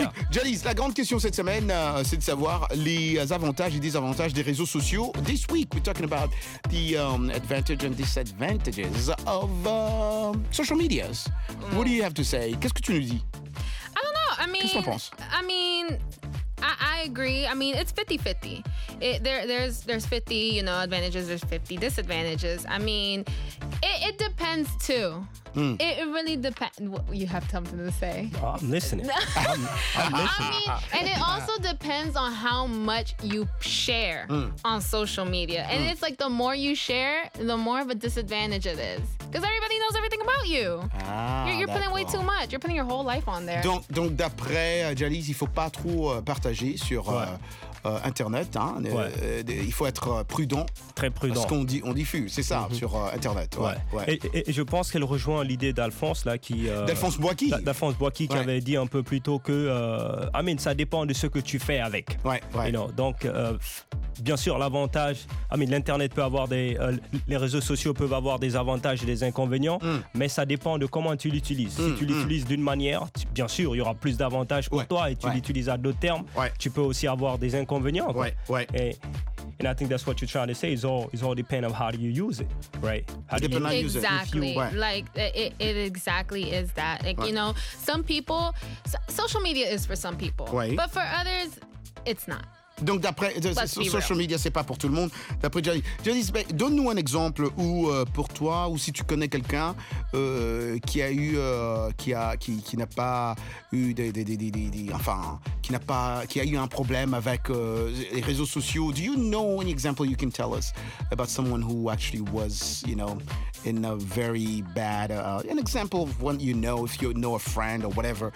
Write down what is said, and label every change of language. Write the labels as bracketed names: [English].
[French] Jalisa, la grande question cette semaine, c'est de savoir les avantages et désavantages des réseaux sociaux. [English] This week, we're talking about the advantages and disadvantages of social medias. What do you have to say? [French] Qu'est-ce que tu nous dis? [English] I don't know. I mean, [French] qu'est-ce qu'on pense? [English] I mean, I agree. I mean, it's 50-50. There's 50, you know, advantages. There's 50 disadvantages. I mean, it depends too. Mm. It really depends. You have something to say. I'm listening. I'm listening. I mean, and it also depends on how much you share on social media. And it's like the more you share, the more of a disadvantage it is. Because everybody knows everything about you. Ah, you're putting way too much. You're putting your whole life on there. [French] Donc d'après Jalisa, il ne faut pas trop partager sur... Internet. Hein, il faut être prudent. Très prudent. Parce qu'on dit, on diffuse, c'est ça, sur Internet. Ouais. Et je pense qu'elle rejoint l'idée d'Alphonse. Là, qui, D'Alphonse Boisky. D'Alphonse Boisky qui avait dit un peu plus tôt que ça dépend de ce que tu fais avec. Ouais. [English] You know, [French] donc, bien sûr, l'avantage, l'Internet peut avoir des. Les réseaux sociaux peuvent avoir des avantages et des inconvénients, mais ça dépend de comment tu l'utilises. Si tu l'utilises d'une manière, bien sûr, il y aura plus d'avantages pour toi et tu l'utilises à d'autres termes. Ouais. Tu peux aussi avoir des inconvénients. Ouais. [English] And I think that's what you're trying to say. It's all depend on how do you use it, right? How do you use it? Exactly. It exactly is that. You know, some people, social media is for some people. Right. But for others, it's not. [French] Donc d'après, social media, c'est pas pour tout le monde. D'après Johnny, donne-nous un exemple où pour toi, ou si tu connais quelqu'un qui a eu un problème avec les réseaux sociaux. [English] Do you know any example you can tell us about someone who actually was, you know, in a very bad an example of one, you know, if you know a friend or whatever,